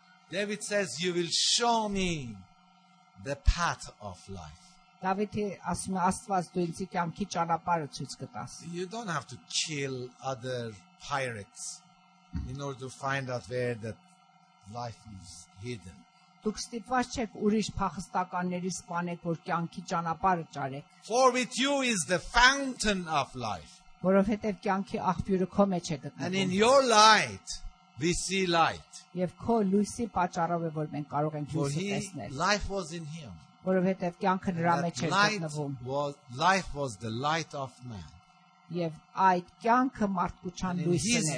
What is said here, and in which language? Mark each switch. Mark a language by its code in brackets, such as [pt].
[en] David says, you will show me the path of life. [hy] Դավիթը ասում է, Աստված դու ինձ կյանքի ճանապարհը ցույց կտաս։ [en] You don't have to kill other pirates in order to find out where that life is hidden. [hy] Դուք ստիպված չեք ուրիշ փախստականների սպանեք, որ կյանքի ճանապարհը ճարեք։ [en] For with you is the fountain of life. [hy] Որովհետև կյանքի աղբյուրը քո մեջ է գտնվում։ [en] And in your light we see light. [hy] Եվ քո լույսի պատճառով է, որ մենք կարող ենք լույսը տեսնել։ [en] Life was in him. [hy] Որովհետև կյանքը նրա մեջ է գտնվում։ [en] Life was the light of man. [hy] Եվ այդ կյանքը մարդկության լույսն է։